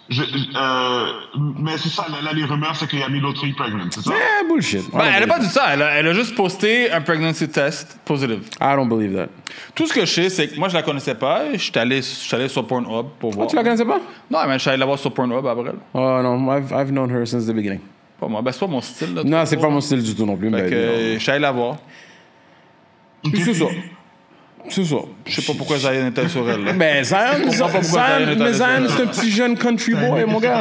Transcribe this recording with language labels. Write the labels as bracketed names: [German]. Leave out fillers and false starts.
[French] mais c'est ça, là, les rumeurs, c'est qu'il y a mis l'autre fille pregnant, c'est ça? [English] Yeah, bullshit. [French] Ben, elle n'a pas dit ça. Elle a juste posté un [English] pregnancy test positive. I don't believe that. [French] Tout ce que je sais, c'est que moi, je ne la connaissais pas. Je suis allé sur Pornhub pour voir. Oh, tu ne la connaissais pas? Non, mais je suis allé la voir sur Pornhub après. Oh non, [English] I've known her since the beginning. [French] Pas moi. Ben, c'est pas mon style. Là, non, c'est pas mon style du tout non plus. Fait que je suis allé la voir. Puis c'est ça. C'est ça. Je sais pas pourquoi Zion était sur elle. Mais Zion, c'est un petit jeune country boy, mon gars.